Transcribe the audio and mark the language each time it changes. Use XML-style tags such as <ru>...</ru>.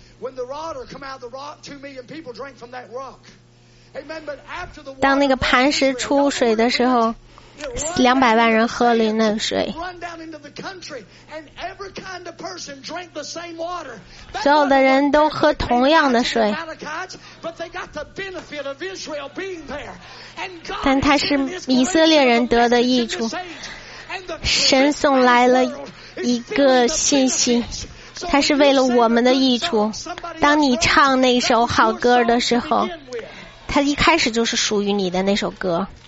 <en>When the water come out of the rock, 2 million people drank from that rock. Amen. But after the water,</en> <zh>当那个磐石出水的时候，200万人喝了那个水。</zh> <en>Run down into the country, and every kind of person drank the same water.</en> <zh>所有的人都喝同样的水。</zh> <en>But they got the benefit of Israel being there.</en> <zh>但他是以色列人得的益处。神送来了一个信息，它是为了我们的益处。当你唱那首好歌的时候，它一开始就是属于你的那首歌。</zh>